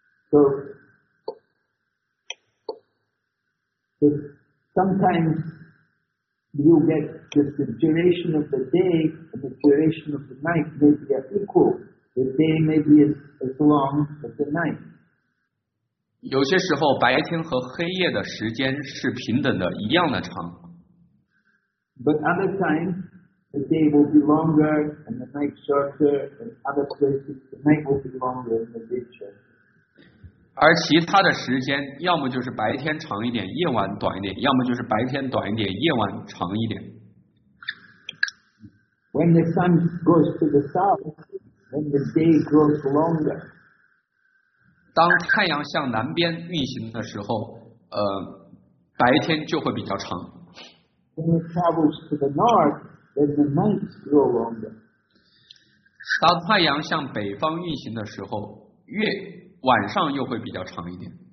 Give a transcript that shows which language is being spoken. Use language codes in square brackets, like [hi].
[en] So, sometimes you get just the duration of the day and the duration of the night may be equal. The day may be as long as the night. [zh] 有些时候白天和黑夜的时间是平等的，一样的长。 [en] But other times the day will be longer and the night shorter, and other places the night will be longer and the day shorter. [zh] 而其他的时间要么就是白天长一点夜晚短一点，要么就是白天短一点夜晚长一点。 [en] When the sun goes to the south, then the day grows longer. [zh] 当太阳向南边运行的时候，白天就会比较长。 [en] When it travels to the north, then the night grows longer. [zh] 当太阳向北方运行的时候，月晚上又会比较长一点。